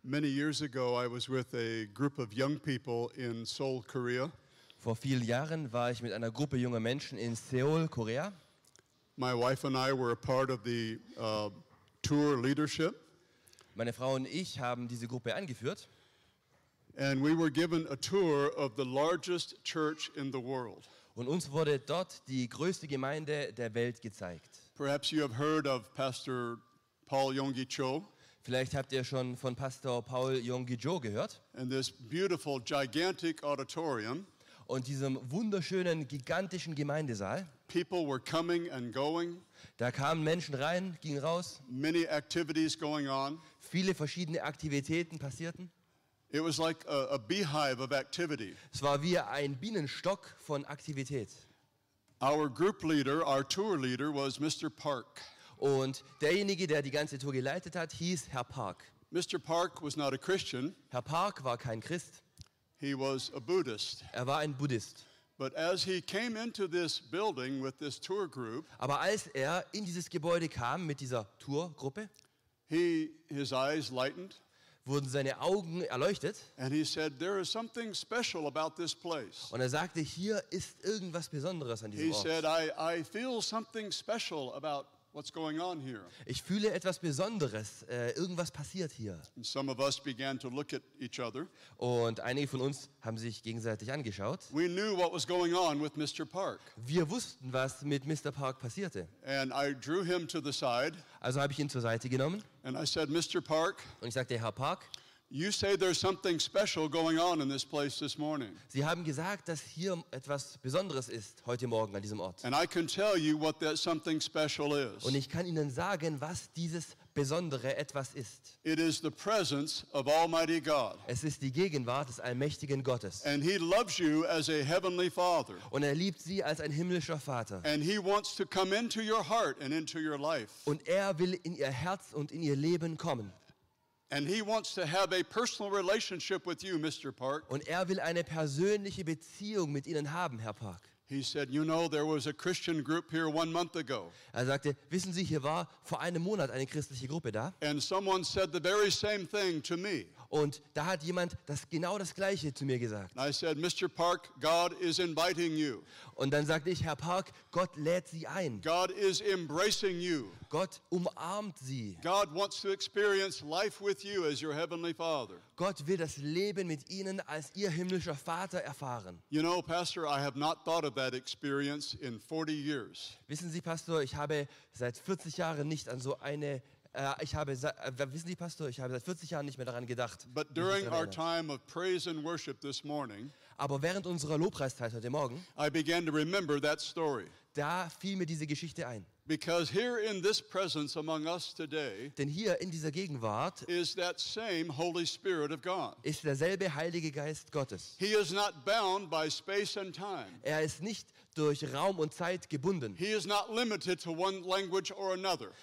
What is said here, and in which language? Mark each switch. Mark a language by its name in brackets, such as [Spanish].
[English] Many years ago, I was with a group of young people in Seoul, Korea. [German] Vor vielen Jahren war ich mit einer Gruppe junger Menschen in Seoul, Korea. [English] My wife and I were a part of the tour leadership. [German] Meine Frau und ich haben diese Gruppe angeführt. [English] And we were given a tour of the largest church in the world. [German] Und uns wurde dort die größte Gemeinde der Welt gezeigt. [English] Perhaps you have heard of Pastor Paul Yonggi Cho. [German] Vielleicht habt ihr schon von Pastor Paul Yonggi Cho gehört. [English] And this beautiful, gigantic auditorium. [German] Und diesem wunderschönen, gigantischen Gemeindesaal. [English] People were coming and going. [German] Da kamen Menschen rein, gingen raus. [English] Many activities going on. [German] Viele verschiedene Aktivitäten passierten. [English] It was like a beehive of activity. [German] Es war wie ein Bienenstock von Aktivität. [English] Our group leader, our tour leader, was Mr. Park. [German] Und derjenige, der die ganze Tour geleitet hat, hieß Herr Park. [English] Mr. Park was not a Christian. [German] Herr Park war kein Christ. [English] He was a Buddhist. [German] Er war ein Buddhist. [English] But as he came into this building with this tour group, [German] aber als er in dieses Gebäude kam mit dieser Tourgruppe, [English] his eyes lightened. [German] Wurden seine Augen erleuchtet. [English] And he said, there is something special about this place. [German] Und er sagte, hier ist irgendwas Besonderes an diesem [English] he [German] Ort. [English] He said, I feel something special about what's going on here. [German] Ich fühle etwas Besonderes, irgendwas passiert hier. [English] And some of us began to look at each other. [German] Und einige von uns haben sich gegenseitig angeschaut. [English] We knew what was going on with Mr. Park. [German] Wir wussten, was mit Mr. Park passierte. [English] And I drew him to the side. [German] Also habe ich ihn zur Seite genommen. [English] And I said, Mr. Park. [German] Und ich sagte, Herr Park. [English] You say there's something special going on in this place this morning. [German] Sie haben gesagt, dass hier etwas Besonderes ist heute Morgen an diesem Ort. [English] And I can tell you what that something special is. [German] Und ich kann Ihnen sagen, was dieses besondere etwas ist. [English] It is the presence of Almighty God. [German] Es ist die Gegenwart des allmächtigen Gottes. [English] And he loves you as a heavenly Father. [German] Und er liebt Sie als ein himmlischer Vater. [English] And he wants to come into your heart and into your life. [German] Und er will in Ihr Herz und in Ihr Leben kommen. [English] And he wants to have a personal relationship with you, Mr. Park. [German] Und er will eine persönliche Beziehung mit Ihnen haben, Herr Park. [English] He said, "You know, there was a Christian group here 1 month ago." [German] Er sagte, wissen Sie, hier war vor einem Monat eine christliche Gruppe da. [English] And someone said the very same thing to me. [German] Und da hat jemand das genau das Gleiche zu mir gesagt. [English] I said, "Mr. Park, God is inviting you." [German] Und dann sagte ich, Herr Park, Gott lädt Sie ein. [English] God is embracing you. [German] Gott umarmt Sie. [English] God wants to experience life with you as your heavenly Father. [German] Gott will das Leben mit Ihnen als Ihr himmlischer Vater erfahren. [English] You know, Pastor, I have not thought of that experience in 40 years. [German] Wissen Sie, Pastor, ich habe seit 40 Jahren nicht an so eine ich habe seit 40 Jahren nicht mehr daran gedacht. [English] But during our time of praise and worship this morning, [German] aber während unserer Lobpreiszeit heute Morgen, [English] I began to remember that story. [German] Da fiel mir diese Geschichte ein. [English] Because here in this presence among us today, [German] denn hier in dieser Gegenwart, [English] is that same Holy Spirit of God. [German] Ist derselbe Heilige Geist Gottes. [English] He is not bound by space and time. [German] Er ist nicht durch Raum und Zeit gebunden. [English] He is not limited to one language or another.